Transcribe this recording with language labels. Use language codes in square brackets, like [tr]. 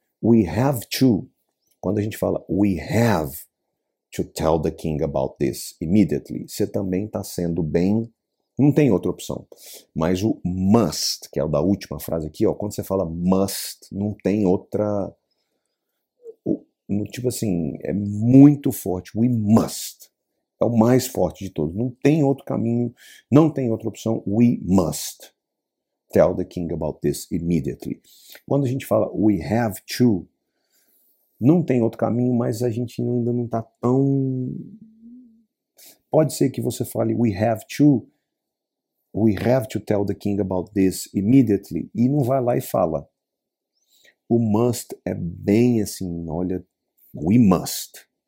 [en] We have to. [pt] Quando a gente fala [en] we have to tell the king about this immediately, [pt] você também está sendo bem. Não tem outra opção. Mas o must, que é o da última frase aqui, ó, quando você fala must, não tem outra. Tipo assim, é muito forte. [en] We must. [pt] É o mais forte de todos. Não tem outro caminho, não tem outra opção. [en] We must tell the king about this immediately. [pt] Quando a gente fala [en] we have to, [pt] não tem outro caminho, mas a gente ainda não está tão. Pode ser que você fale [en] we have to. We have to tell the king about this immediately. [pt] E não vai lá e fala. O must é bem assim, olha, [en] we must.